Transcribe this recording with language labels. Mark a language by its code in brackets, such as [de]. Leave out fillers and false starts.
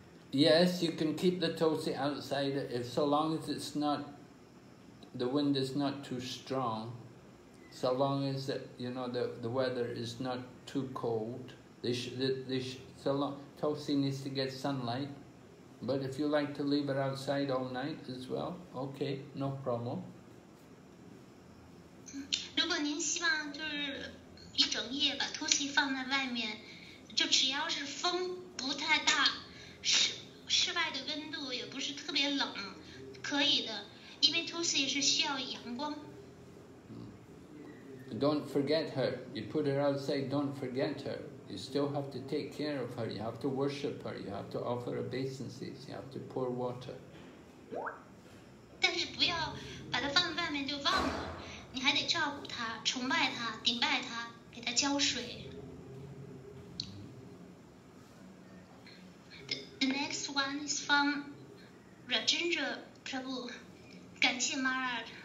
[en] Yes, you can keep the Tulsi outside if so long as it's not, the wind is not too strong, so long as that, you know, the weather is not too cold, Tulsi needs to get sunlight, but if you like to leave it outside all night as well, okay, no problem. [zh] 如果您希望就是一整夜把 Tulsi 放在外面，那就只要是风不太大，室外的温度也不是特别冷，可以的，因为 Tulsi 是需要阳光。 [en] Don't forget her. You put her outside, don't forget her. You still have to take care of her. You have to worship her. You have to offer obeisances. You have to pour water. [zh] 但是不要把她放在外面就忘了，你还得照顾她，崇拜她，顶拜她，给她浇水。 [en] The next one is from Rajendra Prabhu. [zh] 感谢 [en] Maharaj.